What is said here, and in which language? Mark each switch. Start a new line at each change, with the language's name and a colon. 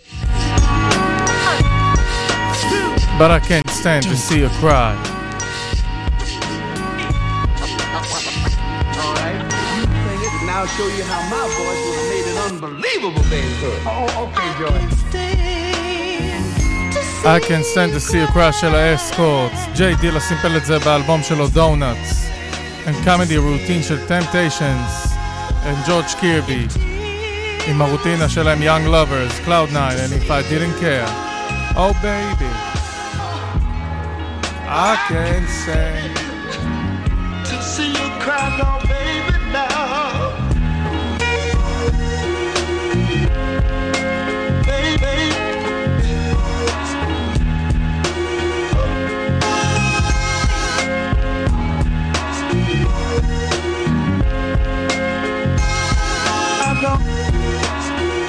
English: But I can't stand to see her cry. Alright, now I'll show you how my voice was made an unbelievable band hood. Oh, okay, Joy. I can't stand to see her cry,
Hebrew: של האסקורטס. ג'יי דילה סימפל את זה באלבום שלו, Donuts.
English: And Comedy Routine של Temptations. And George Kirby.
Hebrew: עם הרוטינה שלהם, Young Lovers, Cloud Nine, And If I Didn't Care.
English: Oh, baby. I can say to see you cry, no baby, now baby. I don't.